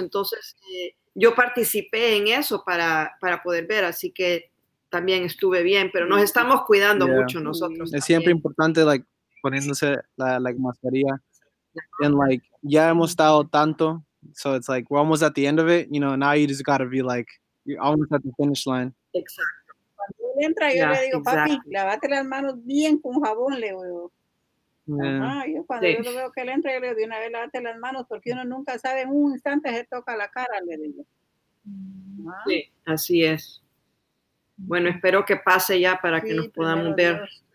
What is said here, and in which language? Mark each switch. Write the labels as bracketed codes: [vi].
[es] Entonces yo participé en eso para poder ver, así que también estuve bien, pero nos estamos cuidando mucho nosotros. Es siempre importante, like, poniéndose la mascarilla. [en] And, like, [es] ya hemos estado tanto, [en] so it's like, we're almost at the end of it, you know, now you just gotta be, like, you're almost at the finish line. [es] Exacto. Cuando él entra, yo le digo, papi, lávate las manos bien con jabón, le digo. Yeah. Yo cuando yo lo veo que él entra, yo le digo, de una vez lávate las manos, porque uno nunca sabe, en un instante se toca la cara, le digo. Sí, así es. Bueno, espero que pase ya para que nos podamos ver.